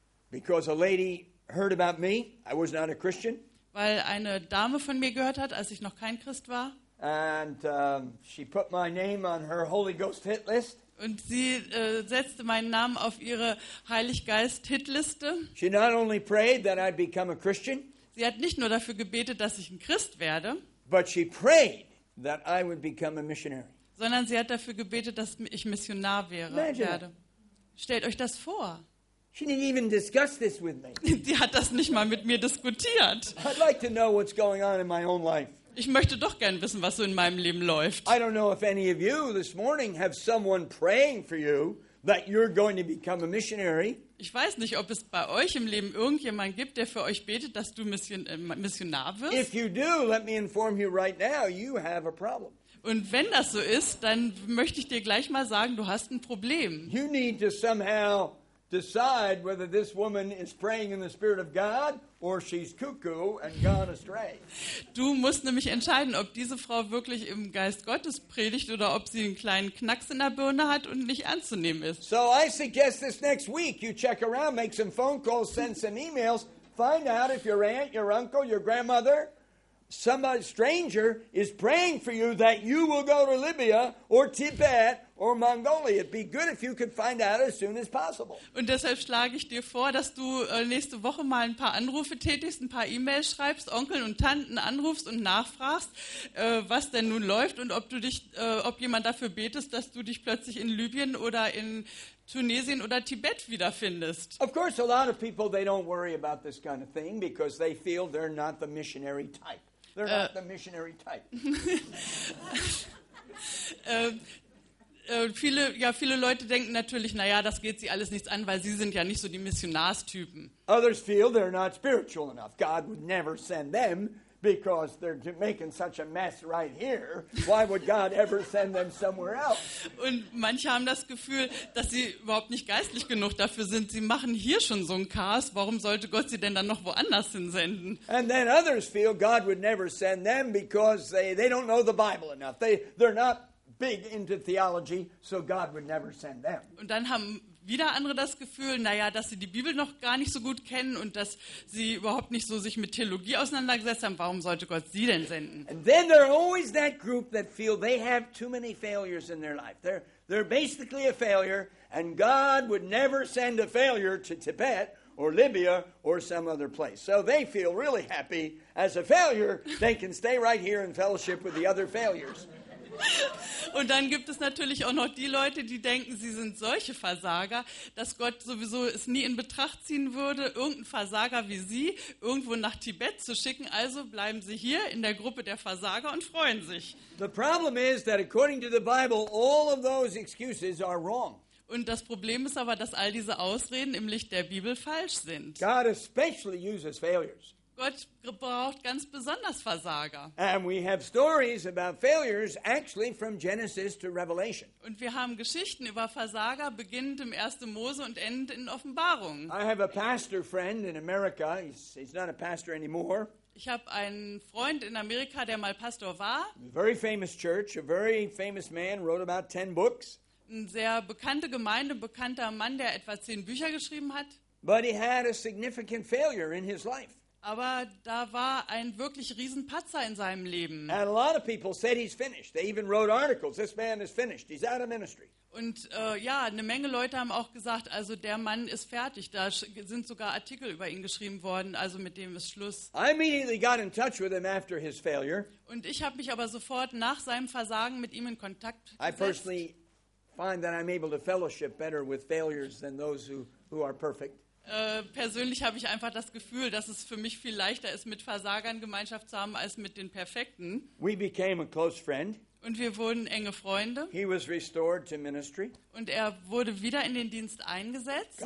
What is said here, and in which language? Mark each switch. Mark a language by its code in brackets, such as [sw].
[en] Because a lady heard about me, I was not a Christian. [de] Weil eine Dame von mir gehört hat, als ich noch kein Christ war. [en] And she put my name on her Holy Ghost hit list. [de] Und sie setzte meinen Namen auf ihre Heiliggeist-Hitliste. [en] She not only prayed that I'd become a Christian. [de] Sie hat nicht nur dafür gebetet, dass ich ein Christ werde. [en] But she prayed that I would become a missionary. [de] Sondern sie hat dafür gebetet, dass ich Missionar werde. Stellt euch das vor. [en] She didn't even discuss this with me. [de] Sie hat das nicht mal mit mir diskutiert. [en] I'd like to know what's going on in my own life. [de] Ich möchte doch gern wissen, was so in meinem Leben läuft. [en] I don't know if any of you this morning have someone praying for you that you're going to become a missionary. [de] Ich weiß nicht, ob es bei euch im Leben irgendjemand gibt, der für euch betet, dass du Missionar wirst. [en] If you do, let me inform you right now, you have a problem. [de] Und wenn das so ist, dann möchte ich dir gleich mal sagen, du hast ein Problem. [en] You need to somehow decide whether this woman is praying in the spirit of God or she's cuckoo and gone astray. [de] Du musst nämlich entscheiden, ob diese Frau wirklich im Geist Gottes predigt oder ob sie einen kleinen Knacks in der Birne hat und nicht anzunehmen ist. [en] So I suggest this next week you check around, make some phone calls, send some emails, find out if your aunt, your uncle, your grandmother, some stranger is praying for you that you will go to Libya or Tibet or Mongolia. It'd be good if you could find out as soon as possible. [de] Und deshalb schlage ich dir vor, dass du nächste Woche mal ein paar Anrufe tätigst, ein paar E-Mails schreibst, Onkeln und Tanten anrufst und nachfragst, was denn nun läuft und ob jemand dafür betest, dass du dich plötzlich in Libyen oder in Tunesien oder Tibet wiederfindest. [en] Of course, a lot of people, they don't worry about this kind of thing because they feel they're not the missionary type. They're not the missionary type. [de] Viele Leute denken natürlich, naja, das geht sie alles nichts an, weil sie sind ja nicht so die Missionarstypen. [en] Others feel they're not spiritual enough. God would never send them because they're making such a mess right here. Why would God ever send them somewhere else? [de] Und manche haben das Gefühl, dass sie überhaupt nicht geistlich genug dafür sind. Sie machen hier schon so ein Chaos. Warum sollte Gott sie denn dann noch woanders hinsenden? [en] And then others feel God would never send them because they don't know the Bible enough. They're not big into theology, so God would never send them. [de] Und dann haben wieder andere das Gefühl, naja, dass sie die Bibel noch gar nicht so gut kennen und dass sie überhaupt nicht so sich mit Theologie auseinandergesetzt haben. Warum sollte Gott sie denn senden? [en] And then there are always that group that feel they have too many failures in their life. They're basically a failure, and God would never send a failure to Tibet or Libya or some other place. So they feel really happy as a failure. They can stay right here in fellowship with the other failures. [de] Und dann gibt es natürlich auch noch die Leute, die denken, sie sind solche Versager, dass Gott sowieso es nie in Betracht ziehen würde, irgendeinen Versager wie sie irgendwo nach Tibet zu schicken. Also bleiben sie hier in der Gruppe der Versager und freuen sich. [en] The problem is that according to the Bible, all of those excuses are wrong. [de] Und das Problem ist aber, dass all diese Ausreden im Licht der Bibel falsch sind. [en] God especially uses failures. [de] Gott braucht ganz besonders Versager. [en] And we have stories about failures actually from Genesis to Revelation. [de] Und wir haben Geschichten über Versager beginnend im 1. Mose und endend in Offenbarung. [en] I have a pastor friend in America. He's not a pastor anymore. [de] Ich habe einen Freund in Amerika, der mal Pastor war. [en] Very famous church, a very famous man, wrote about 10 books. [de] Ein sehr bekannte Gemeinde, bekannter Mann, der etwa 10 Bücher geschrieben hat. [en] But he had a significant failure in his life. [de] Aber da war ein wirklich Riesenpatzer in seinem Leben. [en] And a lot of people said he's finished. They even wrote articles. This man is finished. He's out of ministry. [de] Und ja, eine Menge Leute haben auch gesagt, also der Mann ist fertig. Da sind sogar Artikel über ihn geschrieben worden, also mit dem ist Schluss. [en] I immediately got in touch with him after his failure. [de] Und ich habe mich aber sofort nach seinem Versagen mit ihm in Kontakt gesetzt. [en] I personally find that I'm able to fellowship better with failures than those who are perfect. [de] Persönlich habe ich einfach das Gefühl, dass es für mich viel leichter ist, mit Versagern Gemeinschaft zu haben, als mit den Perfekten. [en] We became a close friend. [de] Und wir wurden enge Freunde. [en] He was restored to ministry. [de] Und er wurde wieder in den Dienst eingesetzt.